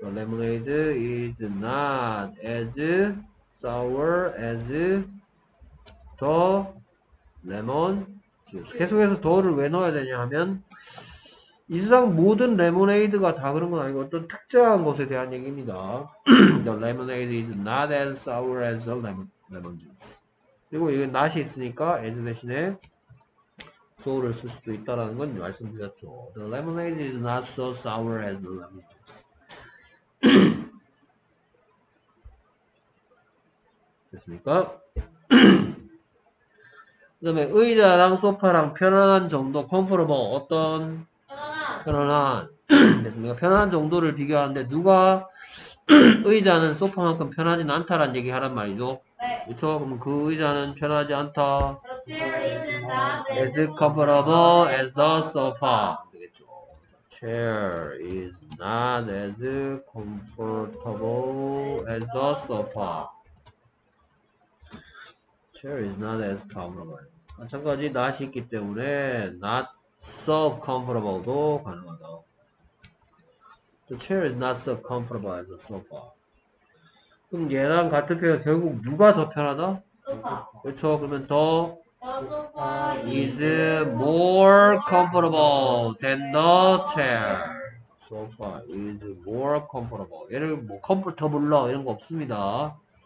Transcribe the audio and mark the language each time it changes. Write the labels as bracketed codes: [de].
[en] Lemonade is not as sour as the lemon juice. [ko] 계속해서 더를 왜 넣어야 되냐 하면 이 세상 모든 레모네이드가 다 그런 건 아니고 어떤 특정한 것에 대한 얘기입니다. [en] The lemonade is not as sour as the lemon juice. [ko] 그리고 이게 not이 있으니까 as 대신에 소울을 쓸 수도 있다라는 건 말씀드렸죠. [en] The lemonade is not so sour as the lemon juice. [ko] 됐습니까? 그 다음에 의자랑 소파랑 편안한 정도, comfortable, 어떤? 편안한. 됐습니까? 편안한 정도를 비교하는데 누가 의자는 소파만큼 편하진 않다라는 얘기 하란 말이죠. 네. 그렇죠? 그럼 그 의자는 편하지 않다. [en] The chair is not as comfortable as the sofa. [ko] 되겠죠. [en] Chair is not as comfortable as the sofa. Chair is not as comfortable. [ko] 마찬가지 not이 있기 때문에 not so comfortable도 가능하다. [en] The chair is not so comfortable as the sofa. [ko] 그럼 얘랑 같은 편이 결국 누가 더 편하다? 소파. 그렇죠. 그러면 더 소파 [en] is more comfortable than the chair. Sofa is more comfortable. [ko] 얘를 뭐 comfortable라 이런 거 없습니다.